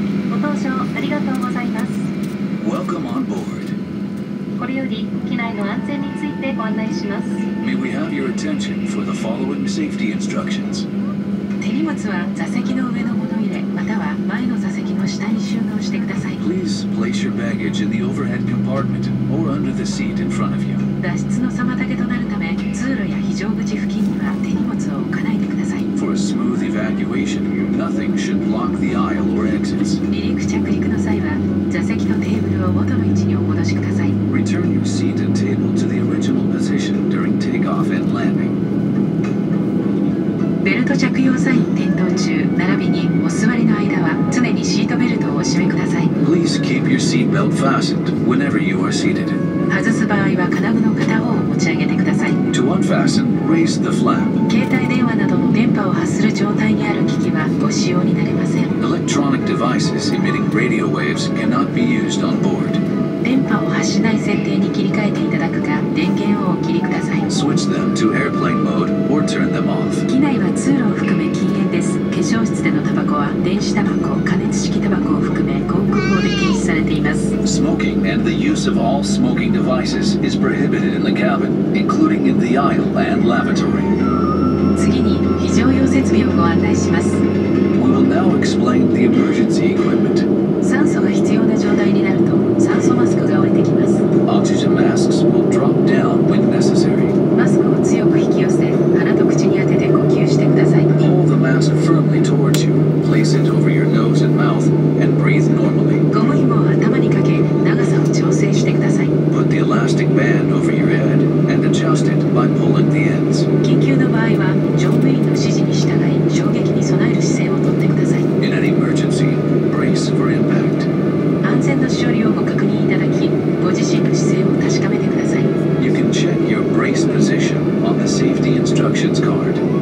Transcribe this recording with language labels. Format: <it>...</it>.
<ja>ご搭乗ありがとうございます。</ja> <en>Welcome on board.</en> <ja>これより機内の安全についてご案内します。</ja> <en>May we have your attention for the following safety instructions.</en> <ja>手荷物は座席の上の物入れまたは前の座席の下に収納してください。</ja> <en>Please place your baggage in the overhead compartment or under the seat in front of you.</en> <ja>脱出の妨げとなるため通路や非常口付近には手荷物を置かないでください。</ja> <en>For a smooth evacuation, nothing should block the aisle or exits.</en> <ja>離陸着陸の際は座席とテーブルを元の位置にお戻しください。</ja> <en>Return your seat and table to the original position during takeoff and landing.</en> <ja>ベルト着用サイン点灯中並びにお座りの間は常にシートベルトをお締めください。</ja> <en>Please keep your seat belt fastened whenever you are seated.</en> <ja>外す場合は金具の片方を持ち上げてください。</ja> <en>To unfasten, raise the flap.</en> <ja>携帯電話などの電波を発する状態にある機器はご使用になれません。</ja> <en>Electronic devices emitting radio waves cannot be used on board.</en> <ja>電波を発しない設定に切り替えていただくか、電源をお切りください。</ja> <en>Switch them to airplane mode or turn them off.</en> <ja>機内は通路を含め禁煙です。化粧室でのタバコは電子タバコ、加熱式タバコを含め航空法で禁止されています。</ja> <en>Smoking and the use of all smoking devices is prohibited in the cabin, including in the aisle and lavatory.</en> <ja>次に非常用設備をご案内します。</ja> <en>Now explain the emergency equipment.</en> <ja>酸素が必要な状態になると酸素マスクが降りてきます。</ja> <en>Oxygen masks will drop down when necessary.</en> <ja>マスクを強く引き寄せ鼻と口に当てて呼吸してください。</ja> <en>Hold the mask firmly towards you. Place it over your nose and mouth and breathe normally.</en> <ja>ゴム紐を頭にかけ長さを調整してください。</ja> <en>Put the elastic band over your head and adjust it by pulling the ends.</en> <ja>緊急の場合は乗務員の指示に従い衝撃に備える姿勢をとってください。安全の処理をご確認いただき、ご自身の姿勢を確かめてください。</ja> <en>You can check your brace position on the safety instructions card.</en>